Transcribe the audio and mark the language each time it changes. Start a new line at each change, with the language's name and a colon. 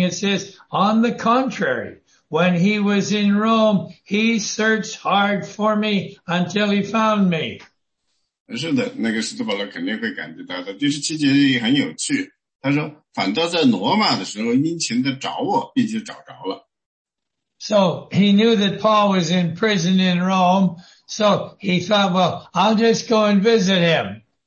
English: It says, on the contrary, when he was in Rome, he searched hard for me until he found me.
Chinese: 是的，那个使徒保罗肯定会感激他的。第17节也很有趣。他说，反倒在罗马的时候殷勤地找我，并且找着了。
English: So he knew that Paul was in prison in Rome, so he thought, well, I'll just go and visit him.